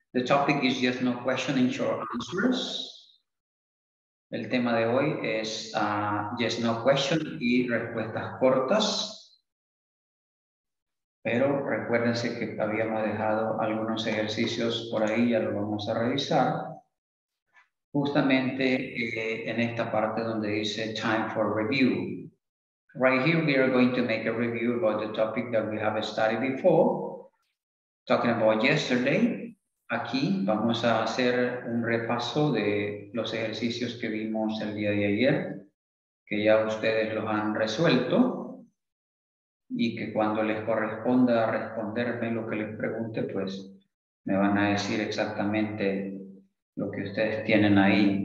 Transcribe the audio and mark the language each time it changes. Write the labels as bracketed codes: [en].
[en] The topic is yes, no question and short answers. [es] El tema de hoy es [en] yes, no question [es] y respuestas cortas. Pero recuérdense que habíamos dejado algunos ejercicios por ahí, ya lo vamos a revisar. Justamente en esta parte donde dice [en] time for review. Right here we are going to make a review about the topic that we have studied before. Talking about yesterday. [es] Aquí vamos a hacer un repaso de los ejercicios que vimos el día de ayer. Que ya ustedes los han resuelto. Y que cuando les corresponda responderme lo que les pregunte, pues me van a decir exactamente lo que ustedes tienen ahí.